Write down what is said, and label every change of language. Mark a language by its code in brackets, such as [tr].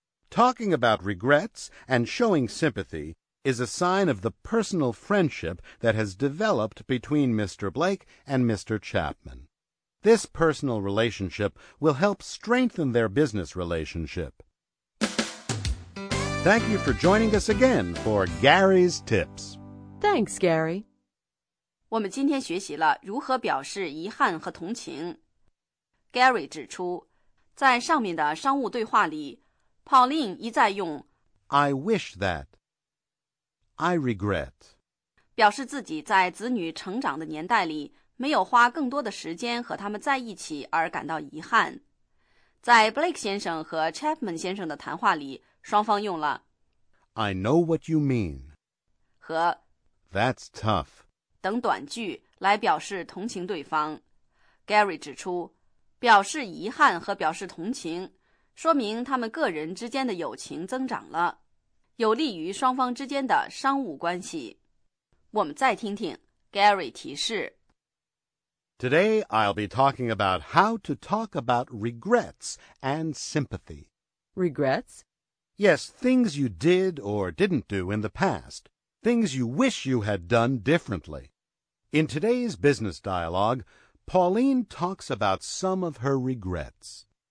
[en] Talking about regrets and showing sympathy is a sign of the personal friendship that has developed between Mr. Blake and Mr. Chapman. This personal relationship will help strengthen their business relationship. Thank you for joining us again for Gary's Tips. Thanks, Gary. [zh] 我们今天学习了如何表示遗憾和同情。 Gary 指出，在上面的商务对话里，Pauline 一再用 [en] I wish that, I regret, [zh] 表示自己在子女成长的年代里没有花更多的时间和他们在一起而感到遗憾。在 Blake 先生和 Chapman 先生的谈话里，双方用了 [en] I know what you mean [zh] 和 [en] That's tough [zh] 等短句来表示同情对方。Gary 指出，表示遗憾和表示同情说明他们个人之间的友情增长了，有利于双方之间的商务关系。我们再听听 Gary 提示。 [en] Today I'll be talking about how to talk about regrets and sympathy. Regrets? Yes, things you did or didn't do in the past, things you wish you had done differently. In today's business dialogue, Pauline talks about some of her regrets.